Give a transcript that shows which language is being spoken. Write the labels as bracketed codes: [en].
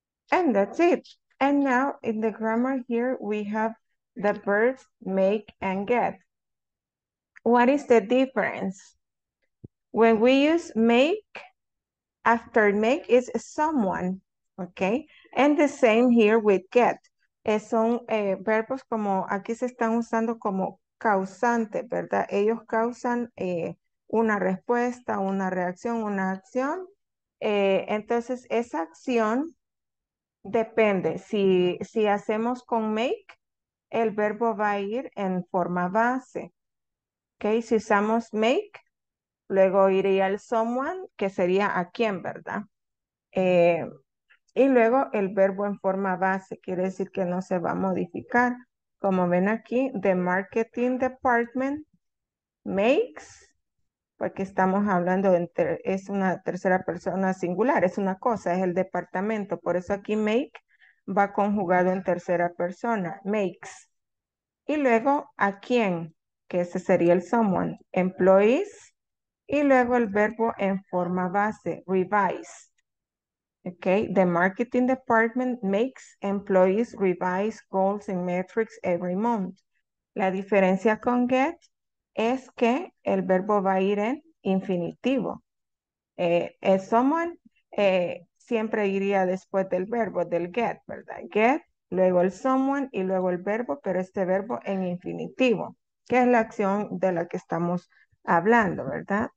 [en] And that's it. And now in the grammar here, we have the verbs make and get. What is the difference? When we use make, after make is someone, okay? And the same here with get. [es] Son verbos como, aquí se están usando como causante, ¿verdad? Ellos causan una respuesta, una reacción, una acción. Entonces, esa acción depende. Si hacemos con make, el verbo va a ir en forma base, okay? Si usamos make, luego iría el someone, que sería a quién, ¿verdad? Y luego el verbo en forma base quiere decir que no se va a modificar. Como ven aquí, [en] the marketing department makes, [es] porque estamos hablando de es una tercera persona singular, es una cosa, es el departamento. Por eso aquí make va conjugado en tercera persona, makes. Y luego, ¿a quién? Que ese sería el someone, employees. Y luego el verbo en forma base, revise. [en] Okay, the marketing department makes employees revise goals and metrics every month. [es] La diferencia con get es que el verbo va a ir en infinitivo. Someone siempre iría después del verbo, del get, ¿verdad? Get, luego el someone y luego el verbo, pero este verbo en infinitivo, que es la acción de la que estamos hablando, ¿verdad?